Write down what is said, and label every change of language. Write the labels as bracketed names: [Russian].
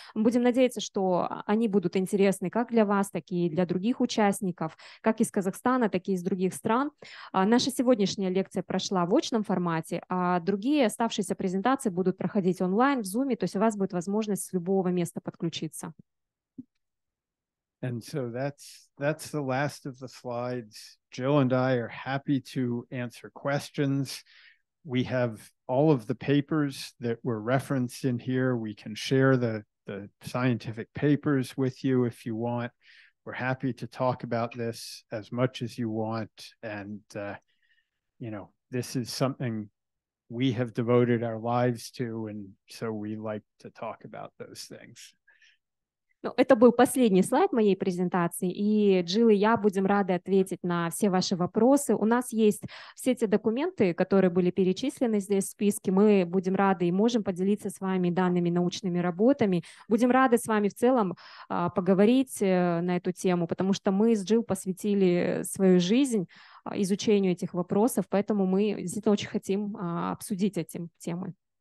[Russian] Мы будем надеяться, что они будут интересны как для вас, так и для других участников, как из Казахстана, так и из других стран. Наша сегодняшняя лекция прошла в очном формате, а другие оставшиеся презентации будут проходить онлайн, в Zoom, то есть у вас будет возможность с любого места подключиться. [English] And so that's the last of the slides. Jill and I are happy to answer questions. We have all of the papers that were referenced in here. We can share the scientific papers with you if you want. We're happy to talk about this as much as you want. And, you know, this is something we have devoted our lives to, and so we like to talk about those things. [Russian] Ну, это был последний слайд моей презентации, и Джилл и я будем рады ответить на все ваши вопросы. У нас есть все те документы, которые были перечислены здесь в списке. Мы будем рады и можем поделиться с вами данными научными работами. Будем рады с вами в целом поговорить на эту тему, потому что мы с Джилл посвятили свою жизнь изучению этих вопросов, поэтому мы действительно очень хотим обсудить эти темы.